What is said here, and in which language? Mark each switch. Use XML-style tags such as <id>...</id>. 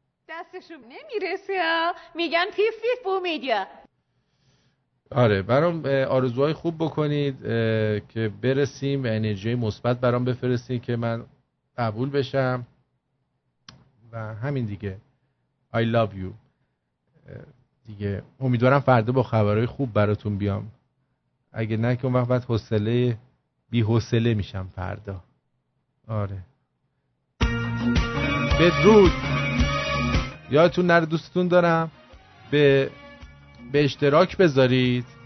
<fa>دستشو نمیرسه، میگن فیف فیف بو میدیا. آره برام آرزوهای خوب بکنید که برسیم و انرژی مثبت برام بفرستید که من قبول بشم و همین دیگه.</fa> <en>I love you دیگه.</en> <fa>امیدوارم فردا با خبرهای خوب براتون بیام، اگه نه که اون وقت بعد حوصله بی حوصله میشم فردا. آره بدرود. یادتون نره، دوستتون دارم، به اشتراک بذارید.</fa>